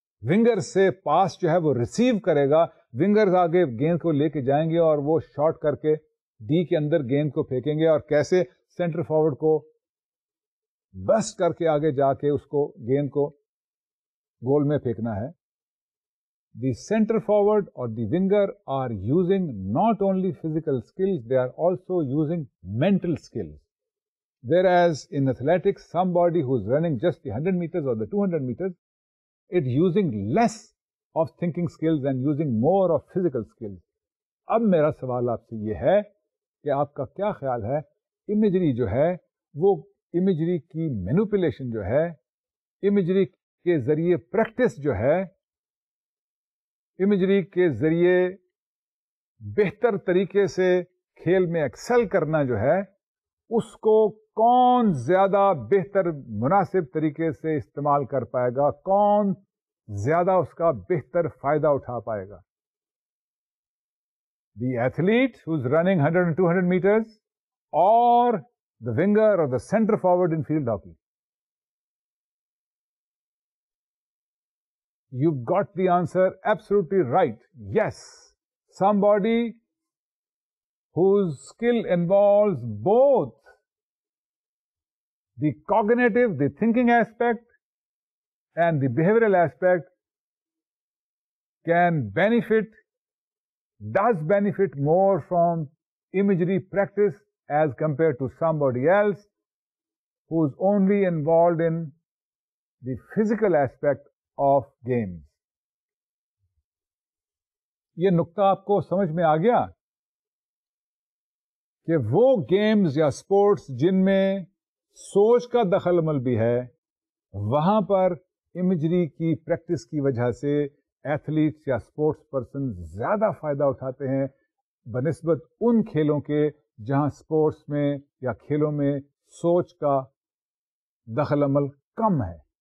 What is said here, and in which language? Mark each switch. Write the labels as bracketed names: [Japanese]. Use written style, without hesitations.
[Urdu] Winger سے پاس جو ہے وہ ریسیو کرے گا, ونگرز آگے گیند کو لے کے جائیں گے اور وہ شارٹ کر کے ڈی کے اندر گیند کو پھینکیں گے, اور کیسے سینٹر فارورڈ کو بسٹ کر کے آگے جا کے اس کو گیند کو گول میں پھینکنا ہے. [English] The center forward or the winger are using not only physical skills, they are also using mental skills. Whereas in athletics, somebody who is running just the 100 meters or the 200 meters, it using less of thinking skills and using more of physical skills. [Urdu] اب میرا سوال آپ سے یہ ہے کہ آپ کا کیا خیال ہے, imagery جو ہے وہ imagery کی manipulation جو ہے, imagery کے ذریعے practice جو ہے, امیجری کے ذریعے بہتر طریقے سے کھیل میں ایکسل کرنا جو ہے, اس کو کون زیادہ بہتر مناسب طریقے سے استعمال کر پائے گا, کون زیادہ اس کا بہتر فائدہ اٹھا پائے گا؟ [English] The athlete who's running 100 and 200 metres, اور the winger اور the centre forward in field hockey? You've got the answer absolutely right. Yes, somebody whose skill involves both the cognitive, the thinking aspect, and the behavioral aspect can benefit, does benefit more from imagery practice as compared to somebody else who's only involved in the physical aspect of games. [Urdu] یہ نقطہ آپ کو سمجھ میں آ گیا؟ کہ وہ games یا سپورٹس جن میں سوچ کا دخل عمل بھی ہے وہاں پر امیجری کی پریکٹس کی وجہ سے ایتھلیٹس یا سپورٹس پرسن زیادہ فائدہ اٹھاتے ہیں بنسبت ان کھیلوں کے جہاں سپورٹس میں یا کھیلوں میں سوچ کا دخل عمل کم ہے.